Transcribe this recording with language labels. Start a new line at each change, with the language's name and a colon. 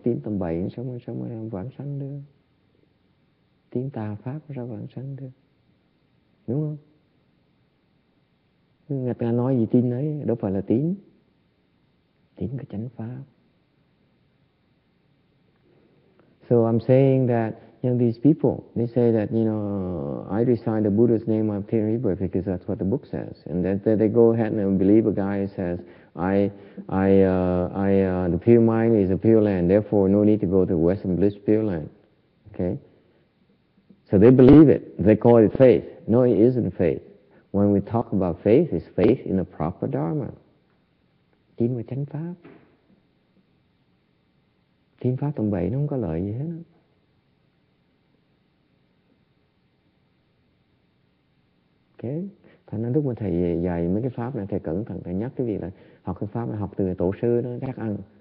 Vietnamese: Tin tâm bậy sao mới vãng sanh được? Tin tà pháp sao vãng sanh được? Đúng không? Người ta nói gì tin ấy, đâu phải là tín. Tín cái chánh pháp.
English: So I'm saying that, you know, these people, they say that, you know, I recite the Buddha's name of Thierry Bird because that's what the book says. And then they go ahead and believe a guy who says, the pure mind is a pure land, therefore no need to go to Western Bliss Pure Land. Okay? So they believe it. They call it faith. No, it isn't faith. When we talk about faith, it's faith in the proper Dharma.
Vietnamese: Tin vào chánh pháp. Tin pháp tầm bậy nó không có lợi gì hết. Ok. Thành ra lúc mà thầy dạy mấy cái pháp này, thầy cẩn thận, thầy nhắc cái việc là học cái pháp này học từ tổ sư nó chắc ăn.